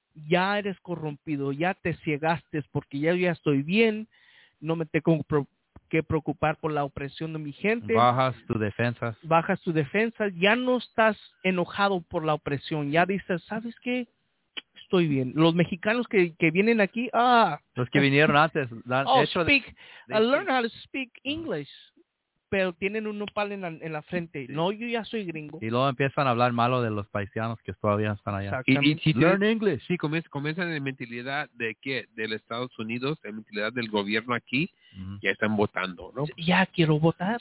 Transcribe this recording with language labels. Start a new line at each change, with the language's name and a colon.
Spanish: Ya eres corrompido, ya te ciegaste porque ya estoy bien, no me tengo que preocupar por la opresión de mi gente. Bajas tus defensas, ya no estás enojado por la opresión, ya dices, ¿sabes qué? Estoy bien. Los mexicanos que vienen aquí, los que vinieron antes.
English: Learn how to speak English.
Spanish: Pero tienen un nopal en la frente. Sí. No, yo ya soy gringo. Y luego empiezan a hablar malo de los paisanos que todavía están allá.
English: Learn English.
Spanish: Sí, comienzan en mentalidad de qué, del Estados Unidos, en mentalidad del gobierno aquí, ya están votando, ¿no? Ya quiero votar.